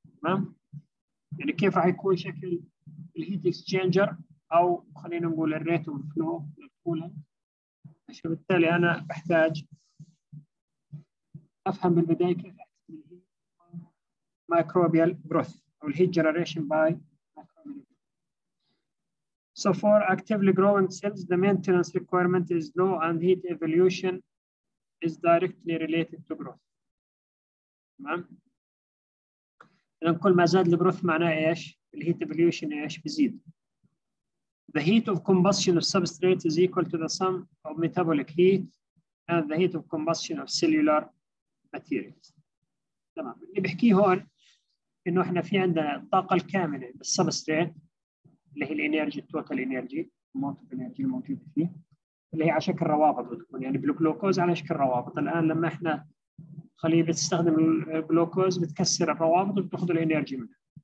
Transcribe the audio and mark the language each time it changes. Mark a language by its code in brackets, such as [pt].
[ar] تمام يعني كيف راح يكون شكل الهيت اكسشينجر او خلينا نقول الريت اوف فلو للكولنت. عشان بالتالي انا بحتاج افهم بالبدايه كيف احسب الهيت مايكروبيال جروث او الهيت جنريشن باي. [en] So for actively growing cells, the maintenance requirement is low and heat evolution is directly related to growth. [ar] تمام؟ إذا كل ما زاد الجروث معناه ايش؟ الهيت evolution ايش؟ بزيد. [en] The heat of combustion of substrate is equal to the sum of metabolic heat and the heat of combustion of cellular materials. [ar] تمام؟ اللي بحكيه هون إنه احنا في عندنا الطاقة الكاملة بالسبستريت اللي هي الانرجي التوتال انرجي موتيف انرجي الموجود فيه اللي هي على شكل روابط بتكون يعني بالجلوكوز على شكل روابط. الان لما احنا خليه بتستخدم الجلوكوز بتكسر الروابط وبتاخذ الانرجي منها.